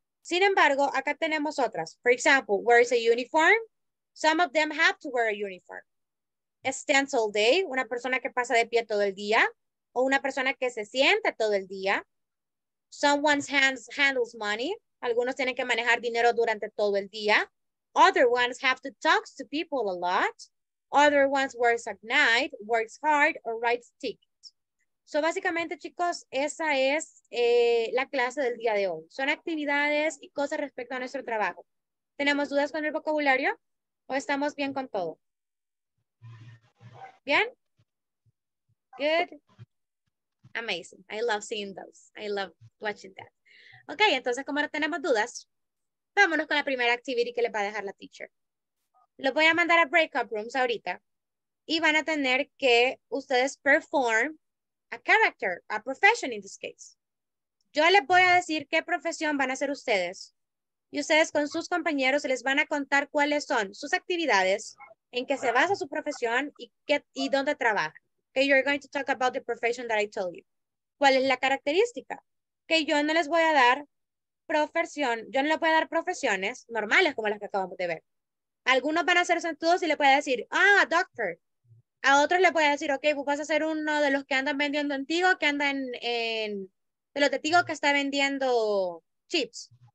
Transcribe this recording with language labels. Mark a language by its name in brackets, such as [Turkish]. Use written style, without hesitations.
[Spanish] Sin embargo, acá tenemos otras. [English] For example, where is a uniform? Some of them have to wear a uniform. A stands all day, [Spanish] una persona que pasa de pie todo el día, o una persona que se sienta todo el día. [English] Someone's hands handles money. [Spanish] Algunos tienen que manejar dinero durante todo el día. [English] Other ones have to talk to people a lot. Other ones works at night, works hard, or writes tickets. [Spanish] So, básicamente, chicos, esa es la clase del día de hoy. Son actividades y cosas respecto a nuestro trabajo. ¿Tenemos dudas con el vocabulario o estamos bien con todo? ¿Bien? [English] Good. Amazing. I love seeing those. I love watching that. [Spanish] Ok, entonces, como no tenemos dudas, vámonos con la primera actividad que le va a dejar la teacher. Lo voy a mandar a breakout rooms ahorita y van a tener que ustedes [English] perform a character, a profession in this case. [Spanish] Yo les voy a decir qué profesión van a hacer ustedes. Y ustedes con sus compañeros les van a contar cuáles son sus actividades, en qué se basa su profesión y, qué, y dónde trabaja. [English] Okay, you're going to talk about the profession that I told you. [Spanish] ¿Cuál es la característica? Que yo no les voy a dar profesión, yo no les voy a dar profesiones normales como las que acabamos de ver. Algunos van a ser sentudos y les voy a decir, ah, a doctor. A otros le voy a decir, ok, pues vas a ser uno de los que andan vendiendo antiguo, que andan en de los de Tigo que está vendiendo chips.